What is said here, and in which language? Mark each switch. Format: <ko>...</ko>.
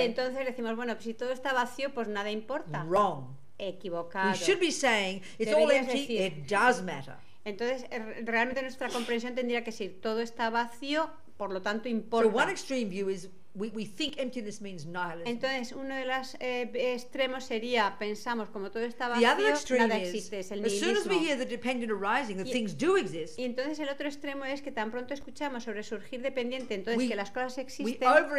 <es>Y entonces decimos, bueno, pues si todo está vacío, pues nada importa.</es> <en>Wrong.</en> <es>Equivocado.</es> <en>We should be saying, it's</en> <es>deberías</es> <en>all empty.</en> <es>Decir,</es> <en>it does matter.</en> <es>Entonces, realmente nuestra comprensión tendría que decir, todo está vacío, por lo tanto importa.</es> <en>So one extreme view is we think emptiness means nihilism.</en> <es>Entonces, uno de los extremos sería pensamos como todo está vacío, nada existe, es el nihilismo.</es> <en>As soon as we hear the dependent arising, that things do exist.</en> <es>Y entonces el otro extremo es que tan pronto escuchamos sobre surgir dependiente, entonces que las cosas existen.</es>